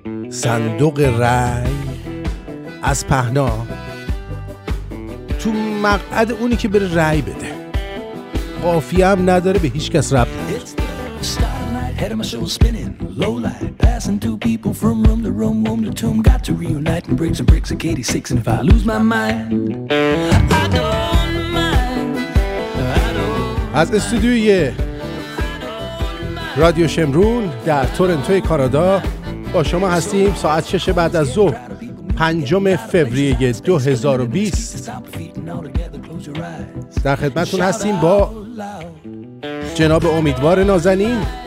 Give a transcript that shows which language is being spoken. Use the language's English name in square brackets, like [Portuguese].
[Persian] صندوق رای از پهنا تو مقعد اونی که بره رای بده، قافیه هم نداره، به هیچ کس ربط نداره. [English] Head of my soul spinning, low light, passing two people from room to room, womb to tomb, got to reunite and bricks and bricks of 86, and if I lose my mind, I don't mind. [Persian] از استودیوی رادیو شمرون در تورنتو کانادا با شما هستیم. ساعت 6 بعد از ظهر 5 فوریه 2020 در خدمتتون هستیم با جناب امیدوار نازنین.